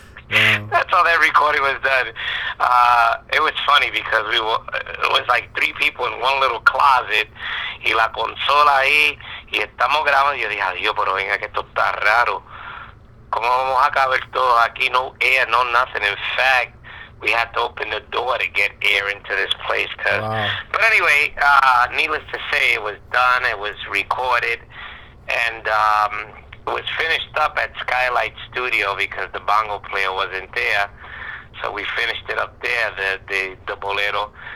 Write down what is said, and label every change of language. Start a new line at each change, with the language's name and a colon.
English: Yeah. That's how that recording was done. It was funny because it was like three people in one little closet.
Spanish: Y la consola ahí, y estamos grabando. Yo dije, adiós, pero venga, que esto está raro. ¿Cómo vamos a caber todo aquí?
English: No air, no nothing. In fact, we had to open the door to get air into this place. Cause, wow. But anyway, needless to say, it was done. It was recorded. And it was finished up at Skylight Studio because the bongo player wasn't there, so we finished it up there, the bolero.